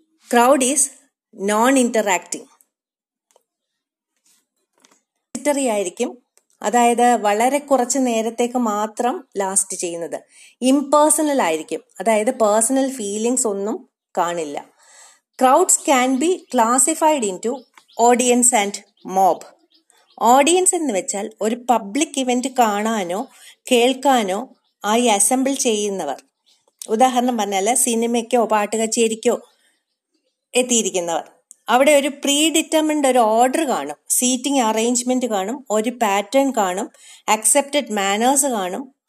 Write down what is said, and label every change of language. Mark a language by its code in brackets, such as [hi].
[en] crowd is non interacting, [ml] ഇറ്ററി ആയിരിക്കും. അതായത് വളരെ കുറച്ച് നേരത്തേക്ക് മാത്രം ലാസ്റ്റ് ചെയ്യുന്നത്. ഇംപേഴ്സണൽ ആയിരിക്കും, അതായത് പേഴ്സണൽ ഫീലിങ്സ് ഒന്നും കാണില്ല. [en] Crowds can be classified into audience and mob. [ml] Audience എന്ന് വെച്ചാൽ ഒരു പബ്ലിക് ഇവൻറ്റ് കാണാനോ കേൾക്കാനോ ആയി അസംബിൾ ചെയ്യുന്നവർ. ഉദാഹരണം പറഞ്ഞാൽ സിനിമയ്ക്കോ പാട്ട് കച്ചേരിക്കോ എത്തിയിരിക്കുന്നവർ. അവിടെ ഒരു പ്രീ ഡിറ്റർമിൻഡ് ഒരു ഓർഡർ കാണും, സീറ്റിംഗ് അറേഞ്ച്മെൻറ്റ് കാണും, ഒരു പാറ്റേൺ കാണും, അക്സെപ്റ്റഡ് മാനേഴ്സ് കാണും.